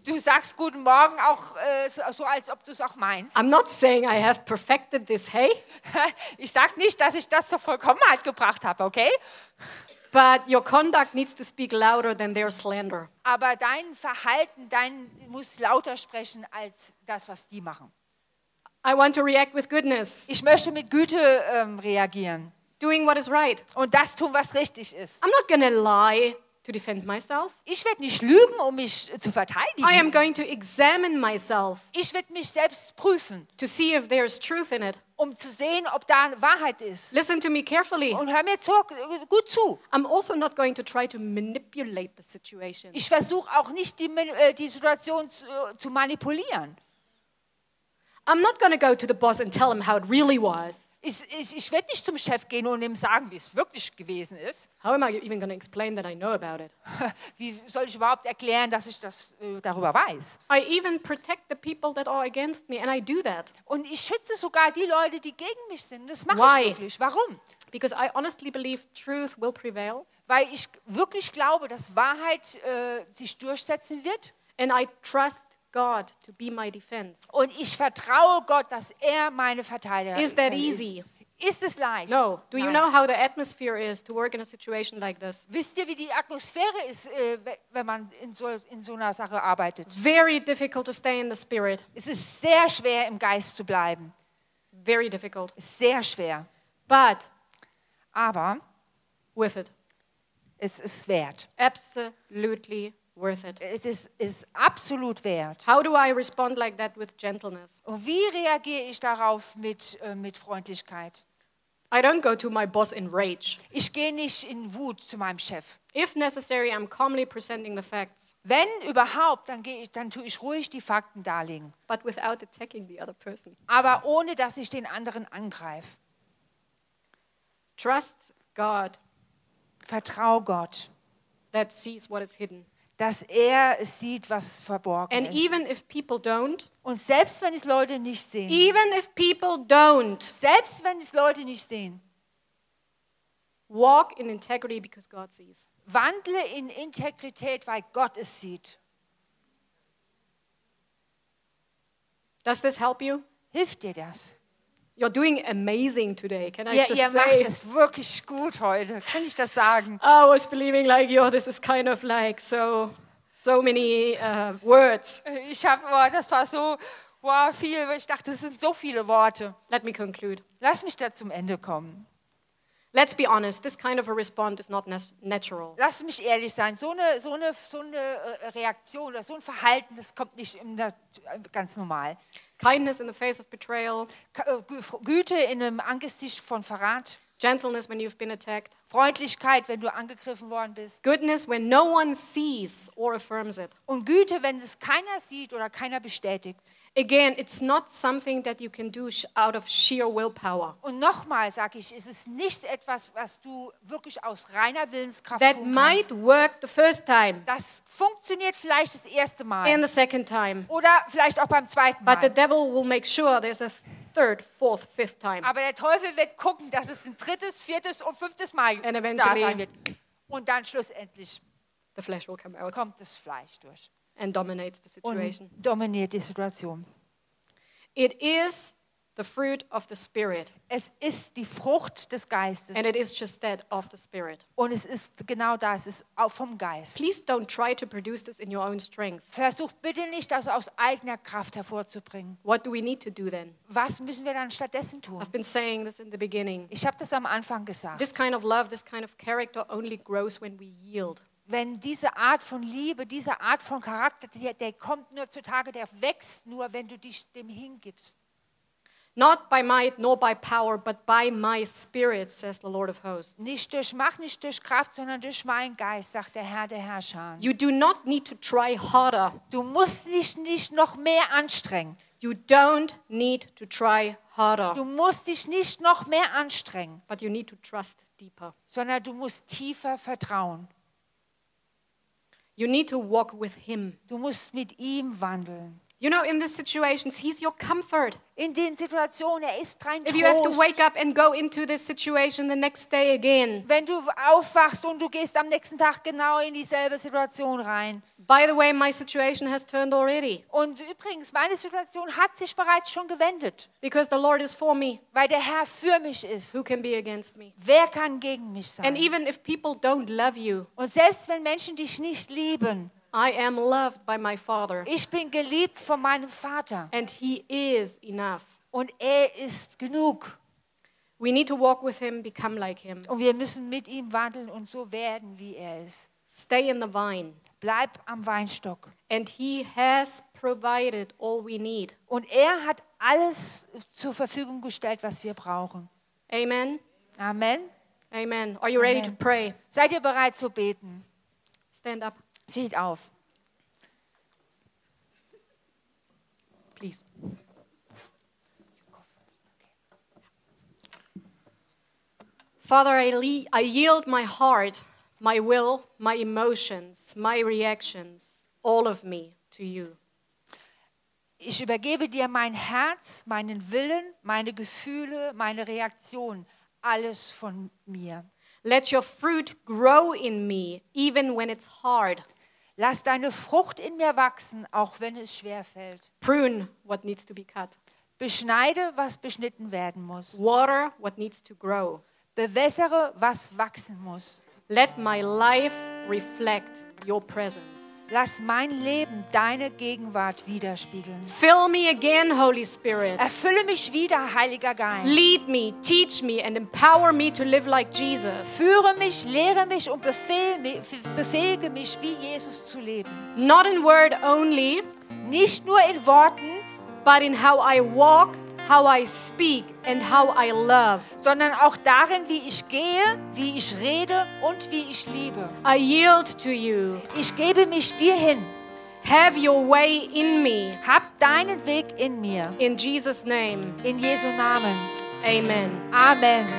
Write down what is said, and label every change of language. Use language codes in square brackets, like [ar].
[de] Du sagst guten Morgen auch so, als ob du es auch meinst. [en] I'm not saying I have perfected this, hey? [de] Ich sag nicht, dass ich das zur Vollkommenheit gebracht habe, okay? [en] But your conduct needs to speak louder than their slander. [de] Aber dein Verhalten, dein muss lauter sprechen als das, was die machen. [en] I want to react with goodness. [de] Ich möchte mit Güte reagieren. [en] Doing what is right. [de] Und das tun, was richtig ist. [en] I'm not gonna lie to defend myself. [de] Ich werde nicht lügen, um mich zu verteidigen. [en] I am going to examine myself. [de] Ich werde mich selbst prüfen. [en] To see if there is truth in it. [de] Um zu sehen, ob da Wahrheit ist. [en] Listen to me carefully. [de] Und hör mir gut zu. [en] I'm also not going to try to manipulate the situation. [de] Ich versuche auch nicht die Situation zu manipulieren. [en] I'm not going to go to the boss and tell him how it really was. [de] Ich werde nicht zum Chef gehen und ihm sagen, wie es wirklich gewesen ist. [en] How am I even going to explain that I know about it? [de] Wie soll ich überhaupt erklären, dass ich das darüber weiß? [en] I even protect the people that are against me and I do that. [de] Und ich schütze sogar die Leute, die gegen mich sind. Das mache ich wirklich. Warum? [en] Because I honestly believe truth will prevail. [de] Weil ich wirklich glaube, dass Wahrheit sich durchsetzen wird. [en] And I trust God to be my defense. [de] Und ich vertraue Gott, dass meine Verteidiger ist. [en] Is that easy? [de] Ist es leicht? [en] No. Do you know how the atmosphere is to work in a situation like this? [de] Wisst ihr, wie die Atmosphäre ist, wenn man in so einer Sache arbeitet? [en] Very difficult to stay in the spirit. [de] Es ist sehr schwer, im Geist zu bleiben. [en] Very difficult. [de] Sehr schwer. [en] But. [de] Aber. [en] With it. [de] Es ist wert. [en] Absolutely. Worth it. It is [de] absolut wert. [en] How do I respond like that with gentleness? [de] Und wie reagiere ich darauf mit Freundlichkeit? [en] I don't go to my boss in rage. [de] Ich gehe nicht in Wut zu meinem Chef. [en] If necessary, I'm calmly presenting the facts. [de] Wenn überhaupt, dann tue ich ruhig die Fakten darlegen. [en] But without attacking the other person. [de] Aber ohne dass ich den anderen angreife. [en] Trust God. [de] Vertrau Gott. [en] That sees what is hidden. [de] Dass er sieht, was verborgen [en] and [de] ist. [en] Even if people don't, [de] und selbst wenn es Leute nicht sehen, [en] even if people don't, [de] selbst wenn es Leute nicht sehen, [en] walk in integrity because God sees. [de] Wandle in Integrität, weil Gott es sieht. [en] Does this help you? [de] Hilft dir das? [en] You're doing amazing today. Can I just say? Ja, [de] ihr macht das wirklich gut heute. Kann ich das sagen? [en] I was believing like, yo, this is kind of like so many words. [de] Ich habe, das war so, viel. Ich dachte, das sind so viele Worte. [en] Let me conclude. [de] Lass mich da zum Ende kommen. [en] Let's be honest, this kind of a response is not natural. [de] Lass mich ehrlich sein, so eine Reaktion oder so ein Verhalten, das kommt nicht ganz normal. [en] Kindness in the face of betrayal. [de] Güte in einem Angesicht von Verrat. [en] Gentleness when you've been attacked. [de] Freundlichkeit, wenn du angegriffen worden bist. [en] Goodness when no one sees or affirms it. [de] Und Güte, wenn es keiner sieht oder keiner bestätigt. [en] Again, it's not something that you can do out of sheer willpower. [de] Und nochmal sage ich, es ist nicht etwas, was du wirklich aus reiner Willenskraft [en] that [de] tun kannst. [en] That might work the first time. [de] Das funktioniert vielleicht das erste Mal. [en] And the second time. [de] Oder vielleicht auch beim zweiten [en] But [de] Mal. [en] But the devil will make sure there's a third, fourth, fifth time. [de] Aber der Teufel wird gucken, dass es ein drittes, viertes und fünftes Mal [en] and eventually, [de] da sein wird. Und dann schlussendlich [en] the flesh will come out. [de] Kommt das Fleisch durch. [en] And dominates the situation. [de] Und dominiert die Situation. [en] It is the fruit of the Spirit. [de] Es ist die Frucht des Geistes. [en] And it is just that of the Spirit. [de] Und es ist genau das, es ist auch vom Geist. [en] Please don't try to produce this in your own strength. [de] Versuch bitte nicht, das aus eigener Kraft hervorzubringen. [en] What do we need to do then? [de] Was müssen wir dann stattdessen tun? [en] I've been saying this in the beginning. [de] Ich habe das am Anfang gesagt. [en] This kind of love, this kind of character only grows when we yield. [de] Wenn diese Art von Liebe, diese Art von Charakter, der kommt nur zutage, der wächst nur, wenn du dich dem hingibst. [en] Not by might nor by power, but by my spirit, says the Lord of hosts. [de] Nicht durch Macht, nicht durch Kraft, sondern durch meinen Geist, sagt der Herr der Herrscher. [en] You do not need to try harder. [de] Du musst dich nicht noch mehr anstrengen. [en] You don't need to try harder. [de] Du musst dich nicht noch mehr anstrengen. [en] But you need to trust deeper. [de] Sondern du musst tiefer vertrauen. [en] You need to walk with him. [de] Du musst mit ihm wandeln. [en] You know, in these situations, he's your comfort. [de] In den Situationen, er ist dein Trost. [en] If you have to wake up and go into this situation the next day again. [de] Wenn du aufwachst und du gehst am nächsten Tag genau in dieselbe Situation rein. [en] By the way, my situation has turned already. [de] Und übrigens, meine Situation hat sich bereits schon gewendet. [en] Because the Lord is for me. [de] Weil der Herr für mich ist. [en] Who can be against me? [de] Wer kann gegen mich sein? [en] And even if people don't love you. [de] Und selbst wenn Menschen dich nicht lieben. [en] I am loved by my Father. [de] Ich bin geliebt von meinem Vater. [en] And he is enough. [de] Und er ist genug. [en] We need to walk with him, become like him. [de] Und wir müssen mit ihm wandeln und so werden, wie er ist. [en] Stay in the vine. [de] Bleib am Weinstock. [en] And he has provided all we need. [de] Und er hat alles zur Verfügung gestellt, was wir brauchen. Amen. Amen. [en] Amen. Are you ready Amen. To pray? [de] Seid ihr bereit zu beten? [en] Stand up. [de] Steht auf. [en] Please. Father, I yield my heart, my will, my emotions, my reactions, all of me to you. [de] Ich übergebe dir mein Herz, meinen Willen, meine Gefühle, meine Reaktion, alles von mir. [en] Let your fruit grow in me, even when it's hard. [de] Lass deine Frucht in mir wachsen, auch wenn es schwer fällt. [en] Prune what needs to be cut. [de] Beschneide, was beschnitten werden muss. [en] Water what needs to grow. [de] Bewässere, was wachsen muss. [en] Let my life reflect your presence. [de] Lass mein Leben deine Gegenwart widerspiegeln. [en] Fill me again, Holy Spirit. [de] Erfülle mich wieder, Heiliger Geist. [en] Lead me, teach me and empower me to live like Jesus. [de] Führe mich, lehre mich und befähige mich, wie Jesus zu leben. [en] Not in word only, [de] nicht nur in Worten, [en] but in how I walk, how I speak and how I love. [de] Sondern auch darin, wie ich gehe, wie ich rede und wie ich liebe. [en] I yield to you. [de] Ich gebe mich dir hin. [en] Have your way in me. [de] Hab deinen Weg in mir. [en] In Jesus' name. [de] In Jesu Namen. Amen. Amen.